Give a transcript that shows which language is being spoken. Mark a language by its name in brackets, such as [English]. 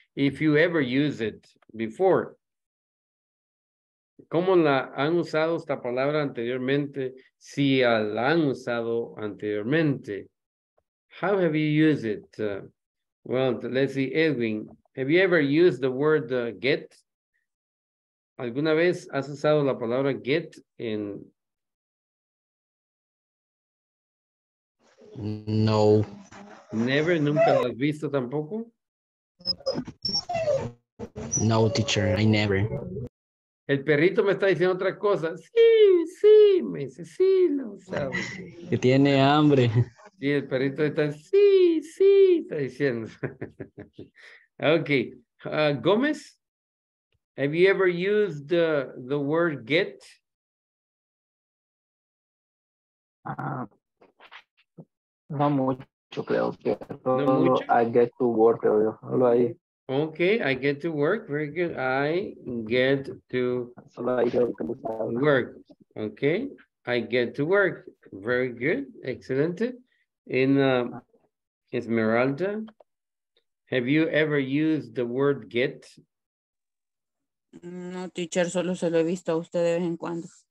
[English] If you ever use it before. [Spanish] ¿Cómo la han usado esta palabra anteriormente? Si la han usado anteriormente. [English] How have you used it? Well, let's see, Edwin, have you ever used the word get? [Spanish] ¿Alguna vez has usado la palabra get in? No. Never, nunca lo has visto tampoco? [English] No, teacher, I never. [Spanish] El perrito me está diciendo otra cosa. Sí, sí, me dice, sí, lo usaba. Que tiene hambre. Sí, el perrito está, sí, sí, está diciendo. [English] Okay, Gomez, have you ever used the word get? [Spanish] No mucho, creo que. Solo [English] I get to work, [Spanish] solo ahí. [English] Okay, I get to work, very good. I get to work, okay. I get to work, very good, excellent. In Esmeralda, have you ever used the word get? [Spanish] No, teacher, solo se lo he visto a usted de vez en cuando.